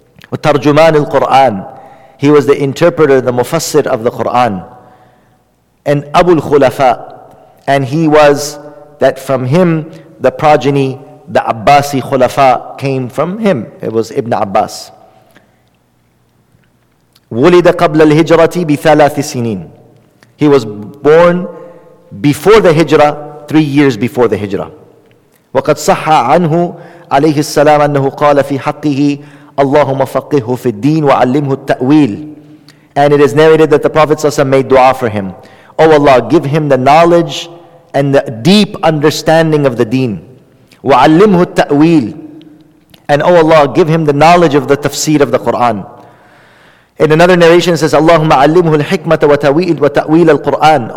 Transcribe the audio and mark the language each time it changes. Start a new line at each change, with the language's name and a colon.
English: Wa Tarjuman al Quran, he was the interpreter, the mufassir of the Quran. And Abul Khulafa, and he was that from him, the progeny, the Abbasi Khulafa came from him. It was Ibn Abbas.
Arabic: ولد قبل الهجرة بثلاث سنين.
English: He was born before the hijrah, 3 years before the hijrah.
Arabic: وقد صح عنه عليه السلام أنه قال في حقه اللهم فقهه في الدين وعلمه التأويل.
English: And it is narrated that the Prophet ﷺ made dua for him. Oh Allah, give him the knowledge and the deep understanding of the deen.
Arabic: وعلمه التأويل.
English: And oh Allah, give him the knowledge of the tafsir of the Quran. In another narration, it says,
Arabic: Allahumma allimhu al-hikmata wa ta'wil wa ta'wil al-Qur'an.